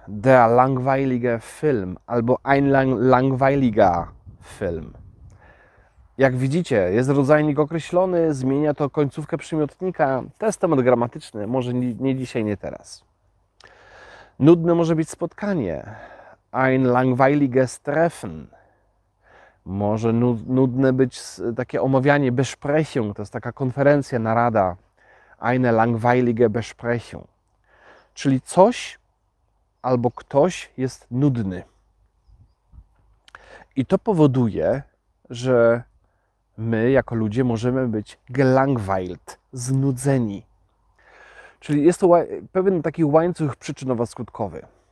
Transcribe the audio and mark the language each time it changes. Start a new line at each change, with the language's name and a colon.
German: Der langweilige Film,
Polish: albo
German: ein langweiliger Film.
Polish: Jak widzicie, jest rodzajnik określony, zmienia to końcówkę przymiotnika. To jest temat gramatyczny, może nie dzisiaj, nie teraz. Nudne może być spotkanie.
German: Ein langweiliges Treffen.
Polish: Może nudne być takie omawianie, Besprechung, to jest taka konferencja, narada.
German: Eine langweilige Besprechung.
Polish: Czyli coś albo ktoś jest nudny. I to powoduje, że my jako ludzie możemy być gelangweilt, znudzeni. Czyli jest to pewien taki łańcuch przyczynowo-skutkowy.